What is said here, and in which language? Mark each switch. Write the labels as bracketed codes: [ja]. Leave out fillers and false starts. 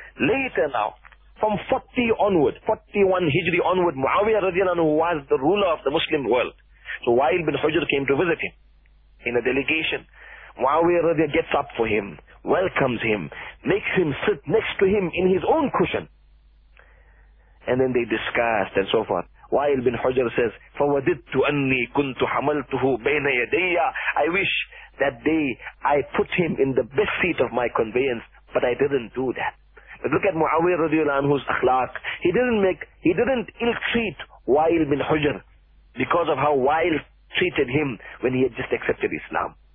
[en] Later now, from 40 onward, 41 Hijri onward, Muawiyah radiallahu anhu was the ruler of the Muslim world. So Wa'il bin Hujr came to visit him in a delegation. Muawiyah radiallahu gets up for him, welcomes him, makes him sit next to him in his own cushion. And then they discussed and so forth. [ar] Wa'il bin Hujr [en] says, [ar] فَوَدِدْتُ أَنِّي كُنْتُ حَمَلْتُهُ بَيْنَ يَدَيَّ. [en] I wish that day I put him in the best seat of my conveyance, but I didn't do that. But look at Muawiyah radiallahu anhu's akhlaq. He didn't ill-treat Wa'il bin Hujr because of how Wa'il treated him when he had just accepted Islam.